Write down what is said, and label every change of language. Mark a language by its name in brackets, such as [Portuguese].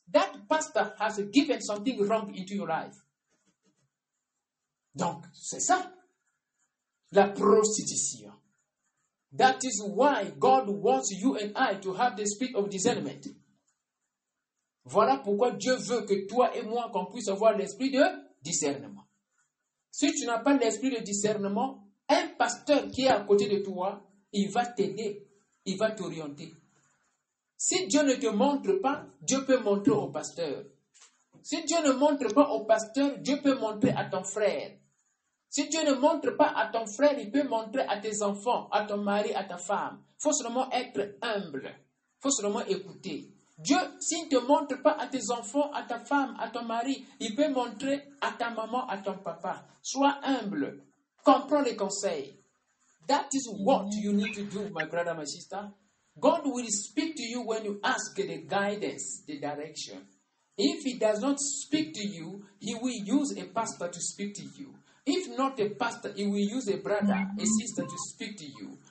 [English] That pastor has given something wrong into your life. [French] Donc, c'est ça. La prostitution. [English] That is why God wants you and I to have the spirit of discernment. [French] Voilà pourquoi Dieu veut que toi et moi qu'on puisse avoir l'esprit de discernement. Si tu n'as pas l'esprit de discernement, un pasteur qui est à côté de toi, il va t'aider, il va t'orienter. Si Dieu ne te montre pas, Dieu peut montrer au pasteur. Si Dieu ne montre pas au pasteur, Dieu peut montrer à ton frère. Si Dieu ne montre pas à ton frère, il peut montrer à tes enfants, à ton mari, à ta femme. Il faut seulement être humble. Il faut seulement écouter. Dieu, s'il ne te montre pas à tes enfants, à ta femme, à ton mari, il peut montrer à ta maman, à ton papa. Sois humble. Comprends les conseils. [English] That is what you need to do, my brother, my sister. God will speak to you when you ask the guidance, the direction. If he does not speak to you, he will use a pastor to speak to you. If not a pastor, he will use a brother, a sister to speak to you.